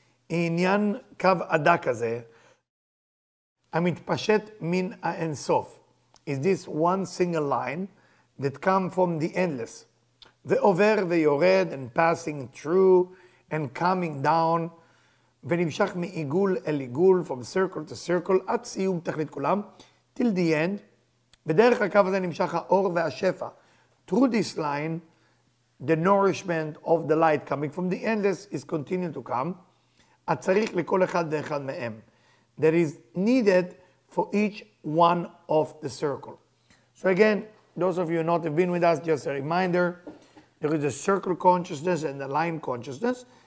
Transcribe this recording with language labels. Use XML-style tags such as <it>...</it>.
<he>Inyan kav adak hazeh. Ha'mitpashet min ha'ensof.</he> <en>Is this one single line that come from the endless.</en> <he>Ve'over ve'yored</he> <en>and passing through and coming down.</en> <he>ונמשך מעיגול אל עיגול,</he> <en>from circle to circle,</en> <he>עד סיום תכלית כולם,</he> <en>till the end,</en> <he>בדרך הקו הזה נמשך האור והשפע.</he> <en>Through this line, the nourishment of the light coming from the endless is continuing to come,</en> <he>הצריך לכל אחד ואחד מהם.</he> <en>That is needed for each one of the circle. So again, those of you who not have been with us, just a reminder, there is a circle consciousness and a line consciousness.</en>